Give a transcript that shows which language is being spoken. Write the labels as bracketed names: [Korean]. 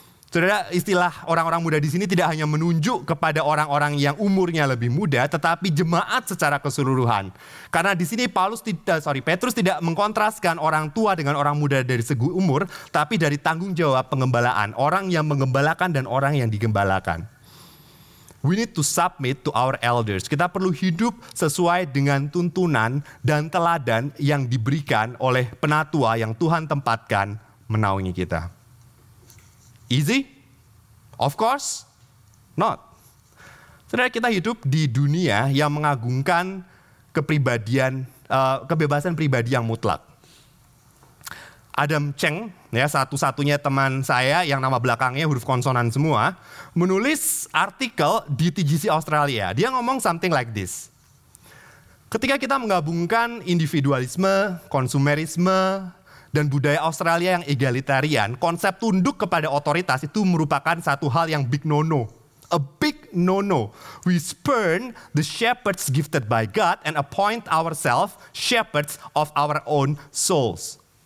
[Indonesian] Saudara, istilah orang-orang muda di sini tidak hanya menunjuk kepada orang-orang yang umurnya lebih muda, tetapi jemaat secara keseluruhan. Karena di sini Petrus tidak mengkontraskan orang tua dengan orang muda dari segi umur, tapi dari tanggung jawab pengembalaan, orang yang mengembalakan dan orang yang digembalakan. [English] We need to submit to our elders. [Indonesian] Kita perlu hidup sesuai dengan tuntunan dan teladan yang diberikan oleh penatua yang Tuhan tempatkan menaungi kita. [English] Easy? Of course not. [Indonesian] Saudara, kita hidup di dunia yang mengagungkan kebebasan pribadi yang mutlak. Adam Cheng, ya, satu-satunya teman saya yang nama belakangnya huruf konsonan semua, menulis artikel di TGC Australia. Dia ngomong [English] something like this. [Indonesian] Ketika kita menggabungkan individualisme, konsumerisme, dan budaya Australia yang egalitarian, konsep tunduk kepada otoritas itu merupakan satu hal yang [English] big no-no. A big no-no. We spurn the shepherds gifted by God and appoint ourselves shepherds of our own souls.